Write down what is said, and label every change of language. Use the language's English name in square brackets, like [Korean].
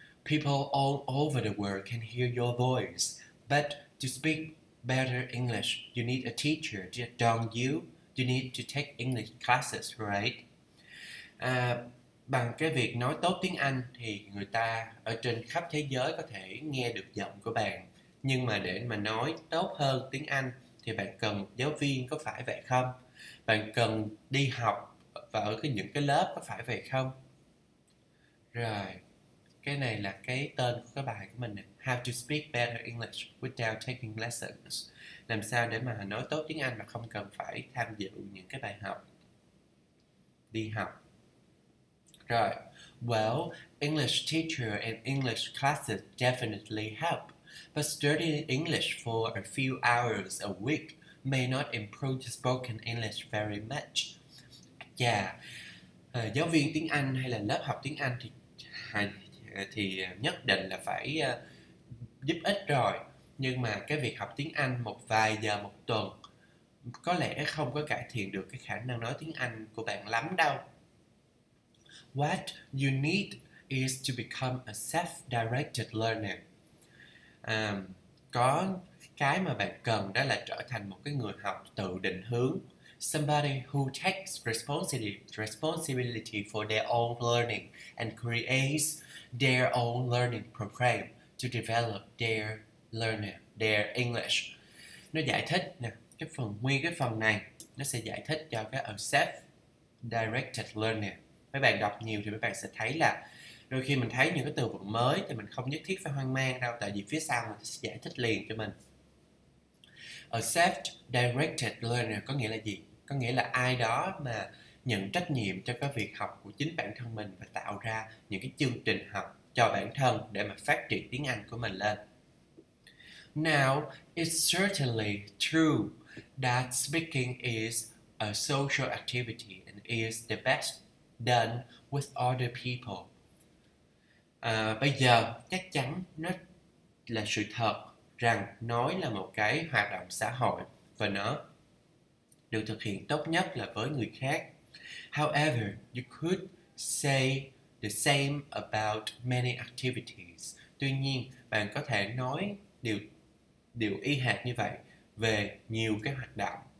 [English] People all over the world can hear your voice. But to speak better English, you need a teacher, don't you? You need to take English classes, right? [Vietnamese] Bằng cái việc nói tốt tiếng Anh thì người ta ở trên khắp thế giới có thể nghe được giọng của bạn. Nhưng mà để mà nói tốt hơn tiếng Anh thì bạn cần một giáo viên, có phải vậy không? Bạn cần đi học và ở những cái lớp, có phải vậy không? Rồi, cái này là cái tên của cái bài của mình nè. [English] How to speak better English without taking lessons. [Vietnamese] Làm sao để mà nói tốt tiếng Anh mà không cần phải tham dự những cái bài học, đi học. [English] Rồi, well, English teacher and English classes definitely help. But studying English for a few hours a week may not improve spoken English very much. [Vietnamese] Yeah, giáo viên tiếng Anh hay là lớp học tiếng Anh thì nhất định là phải giúp ích rồi. Nhưng mà cái việc học tiếng Anh một vài giờ một tuần có lẽ không có cải thiện được cái khả năng nói tiếng Anh của bạn lắm đâu. [English] What you need is to become a self-directed learner. [Vietnamese] Có cái mà bạn cần đó là trở thành một cái người học tự định hướng. [English] Somebody who takes responsibility for their own learning and creates their own learning program to develop their learner, their English. [Vietnamese] Nó giải thích nè, cái phần này nó sẽ giải thích cho cái self-directed learner. Mấy bạn đọc nhiều thì mấy bạn sẽ thấy là đôi khi mình thấy những cái từ vựng mới thì mình không nhất thiết phải hoang mang đâu, tại vì phía sau mình sẽ giải thích liền cho mình. A self-directed learner có nghĩa là gì? Có nghĩa là ai đó mà nhận trách nhiệm cho cái việc học của chính bản thân mình và tạo ra những cái chương trình học cho bản thân để mà phát triển tiếng Anh của mình lên. [English] Now, it's certainly true that speaking is a social activity and is the best done with other people. [Vietnamese] Bây giờ chắc chắn nó là sự thật rằng nói là một cái hoạt động xã hội và nó được thực hiện tốt nhất là với người khác. [English] However, you could say the same about many activities. [Vietnamese] Tuy nhiên, bạn có thể nói điều y hệt như vậy về nhiều cái hoạt động.